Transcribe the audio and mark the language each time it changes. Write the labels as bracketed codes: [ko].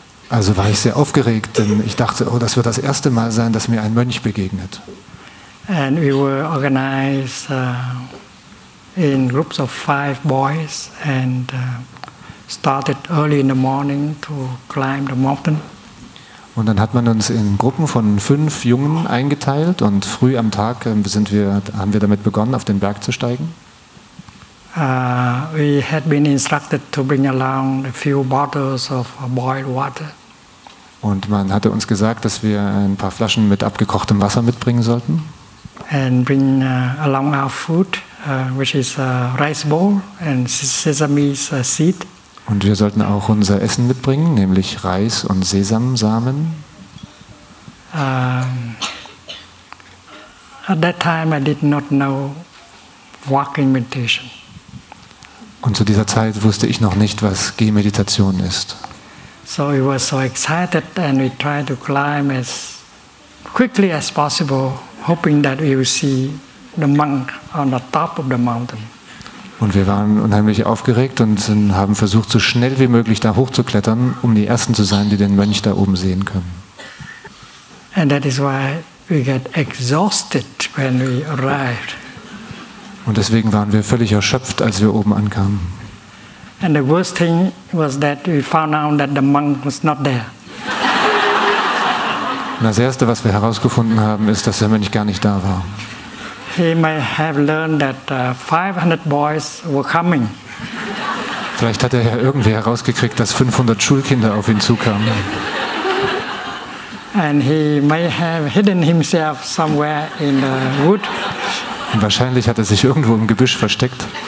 [de] Also war ich sehr aufgeregt, denn ich dachte, oh, das wird das erste Mal sein, dass mir ein Mönch begegnet. [en] And we were organized in groups of 5 boys and started early in the morning to climb the mountain. [de] Und dann hat man uns in Gruppen von 5 Jungen eingeteilt und früh am Tag haben wir damit begonnen, auf den Berg zu steigen. [en] We had been instructed to bring along a few bottles of boiled water. [de] Und man hatte uns gesagt, dass wir ein paar Flaschen mit abgekochtem Wasser mitbringen sollten. [en] And bring along our food, which is a rice bowl and sesame's seed. [de] Und wir sollten auch unser Essen mitbringen, nämlich Reis und Sesamsamen. [en] At that time I did not know walking meditation. [de] Und zu dieser Zeit wusste ich noch nicht, was Gehmeditation ist. [en] So we were so excited and we tried to climb as quickly as possible, hoping that we will see the monk on the top of the mountain. [de] Und wir waren unheimlich aufgeregt und haben versucht, so schnell wie möglich da hochzuklettern, um die Ersten zu sein, die den Mönch da oben sehen können. [en] And that is why we get exhausted when we arrived. [de] Und deswegen waren wir völlig erschöpft, als wir oben ankamen. [en] And the worst thing was that we found out that the monk was not there. [de] Und das Erste, was wir herausgefunden haben, ist, dass der Mönch gar nicht da war. [en] He may have learned that 500 boys were coming. [de] Vielleicht hat er ja irgendwie herausgekriegt, dass 500 Schulkinder auf ihn zukamen. [en] And he may have hidden himself somewhere in the wood. [de] Und wahrscheinlich hat er sich irgendwo im Gebüsch versteckt.